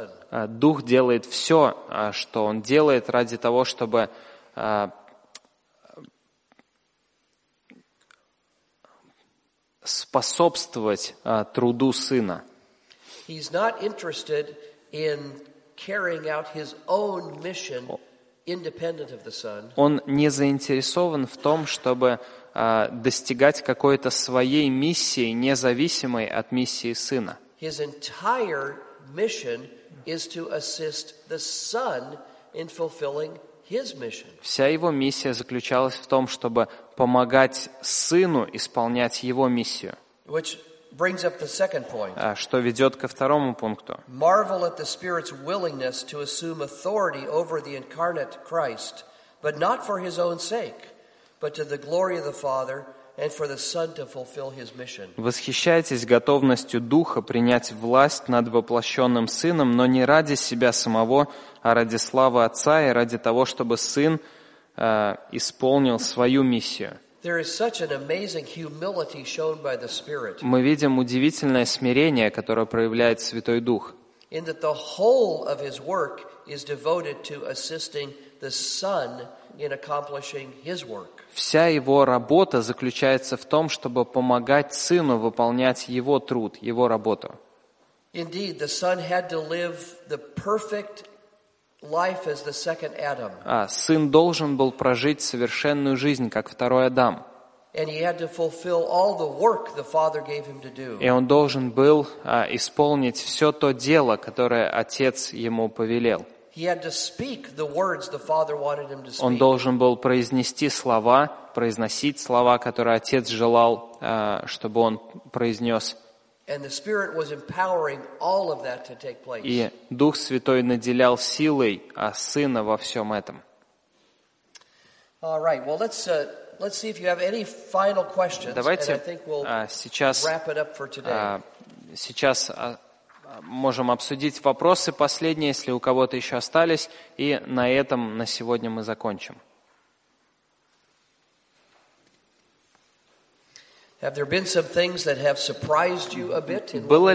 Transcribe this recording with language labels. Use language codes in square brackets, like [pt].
[ru] Дух делает все, что Он делает ради того, чтобы способствовать труду Сына. [en] He's not interested in carrying out his own mission independent of the Son. [ru] Он не заинтересован в том, чтобы достигать какой-то своей миссии, независимой от миссии Сына. [en] His entire mission is to assist the Son in fulfilling His mission. [ru] Вся его миссия заключалась в том, чтобы помогать Сыну исполнять его миссию. [en] Which brings up the second point. [ru] Что ведет ко второму пункту. [en] Marvel at the Spirit's willingness to assume authority over the incarnate Christ, but not for his own sake, but to the glory of the Father and for the Son to fulfill his mission. [ru] Восхищайтесь готовностью Духа принять власть над воплощенным Сыном, но не ради себя самого, а ради славы Отца и ради того, чтобы Сын исполнил свою миссию. [en] There is such an amazing humility shown by the Spirit. [ru] Мы видим удивительное смирение, которое проявляет Святой Дух. [en] In that the whole of his work is devoted to assisting the Son in accomplishing his work. [ru] Вся его работа заключается в том, чтобы помогать Сыну выполнять его труд, его работу. [en] Indeed, the Son had to live the perfect life as the second Adam. [ru] Сын должен был прожить совершенную жизнь, как второй Адам. [en] And he had to fulfill all the work the Father gave him to do. [ru] И он должен был исполнить все то дело, которое Отец ему повелел. [en] He had to speak the words the Father wanted him to speak. [ru] Он должен был произносить слова, которые Отец желал, чтобы он произнес. [en] And the Spirit was empowering all of that to take place. [ru] И Дух Святой наделял силой Сына во всем этом. [en] All right. Well, let's see if you have any final questions. [ru] Давайте, [en] and I think we'll wrap it up for today. [ru] Сейчас можем обсудить вопросы последние, если у кого-то еще остались, и на этом на сегодня мы закончим. [en] Have there been some things that have surprised you a bit in what